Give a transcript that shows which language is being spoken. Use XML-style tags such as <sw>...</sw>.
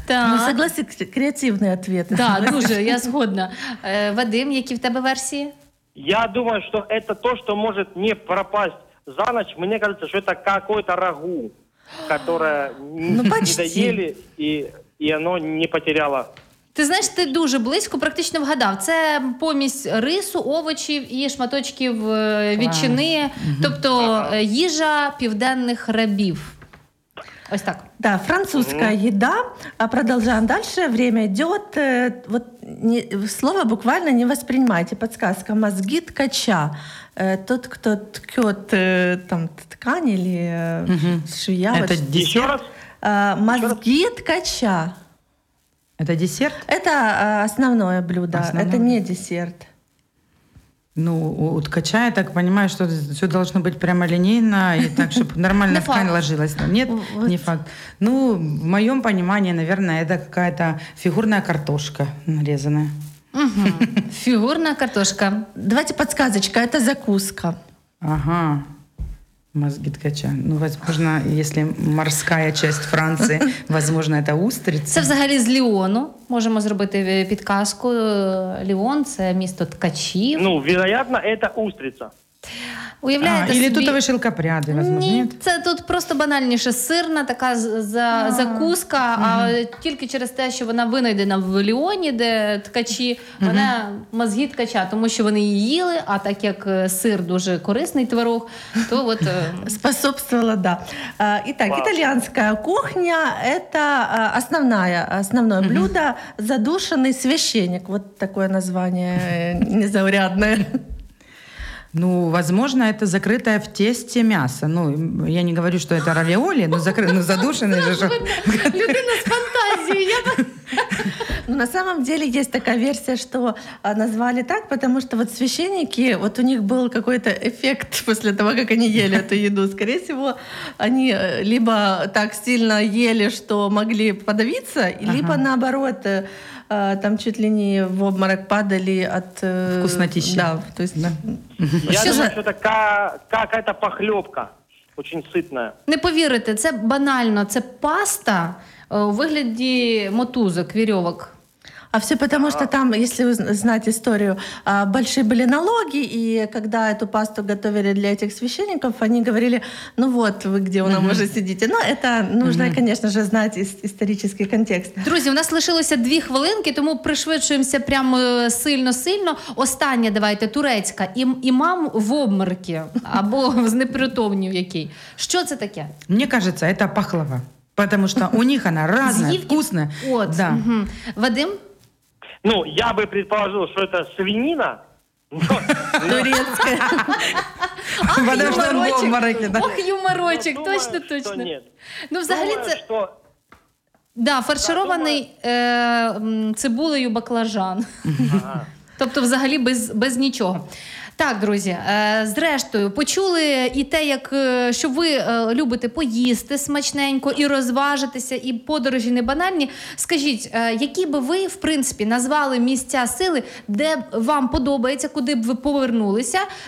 <ru>Ну, согласись, креативный ответ.</ru> <uk>Да, дуже, я сгодна. Вадим, які в тебе версії?</uk> <ru>Я думаю, что это то, что может не пропасть за ночь. Мне кажется, что это какое-то рагу, которое не доели, и оно не потеряло...</ru> <uk>Ти знаєш, ти дуже близько практично вгадав. Це помість рису, овочів і шматочків ветчини, тобто їжа південних рабів. Ось так. Да, французька їда. А продовжуємо далі. Время йде. Вот слово буквально не сприймайте. Підказка. Мозги ткача. Тот, хто ткет там ткань или швея.</uk> <ru>Это десерт. Мозги ткача. Это десерт? Это основное блюдо, основное. Это не десерт. Ну, у ткача, я так понимаю, что все должно быть прямо линейно, и так, чтобы нормально ткань ложилась. Нет, не факт. Ну, в моем понимании, наверное, это какая-то фигурная картошка нарезанная. Фигурная картошка. Давайте подсказочка, это закуска. Ага. Мозги ткача. Ну, возможно, если морская часть Франции, возможно, это устрица.</ru> <uk>Це взагалі з Ліону. Можемо зробити підказку. Ліон – це місто ткачів.</uk> <ru>Ну, вероятно, это устрица.</ru> <uk>Уявляєте</uk> <ru>собі... Или тутові шелкопряди, возможно,</ru> <uk>ні? Це тут просто банальніше. Сирна така закуска, а тільки через те, що вона винайдена в Ліоні, де ткачі, вона мозги ткача, тому що вони її їли, а так як сир дуже корисний творог, то от... Способствувала, да. І так, італіянська кухня – це основне блюдо, задушений священник. От таке названня незаурядне.</uk> <ru>Ну, возможно, это закрытое в тесте мясо. Ну, я не говорю, что это равиоли, но закрытое, но задушенное же. Людина с фантазией. На самом деле есть такая версия, что назвали так, потому что вот священники, вот у них был какой-то эффект после того, как они ели эту еду. Скорее всего, они либо так сильно ели, что могли подавиться, либо наоборот... Там чуть ли не в обморок падали от вкуснотища. Да, то есть, да. Я думаю, что это какая-то похлебка, очень сытная.</ru> <uk>Не повірите, це банально, це паста у вигляді мотузок, вірьовок.</uk> <ru>А все потому, что там, если вы знаете историю, большие были налоги, и когда эту пасту готовили для этих священников, они говорили, ну вот вы где у нас уже сидите. Но это нужно, конечно же, знать исторический контекст.</ru> <uk>Друзья, у нас лишилося 2 хвилинки, тому пришвидшуємося прям сильно-сильно. Останнє, давайте, турецька. Імам в обмерки або з непритомнів який. Що це таке?</uk> <ru>Мені кажется, это пахлава. Потому что у них она разная, вкусная. Вот. Да. Вадим? Ну, я бы предположил, что это свинина. Турецкая. Ох, юморочек. Ох, юморочек, точно, точно.</ru> <uk>Ну, взагалі це...</uk> <ru>Да, фаршированный цибулею баклажан.</ru> <uk>Тобто взагалі без нічого. Так, друзі, зрештою, почули і те, як, що ви любите поїсти смачненько і розважитися, і подорожі не банальні. Скажіть, які би ви, в принципі, назвали місця сили, де вам подобається, куди б ви повернулися?</uk>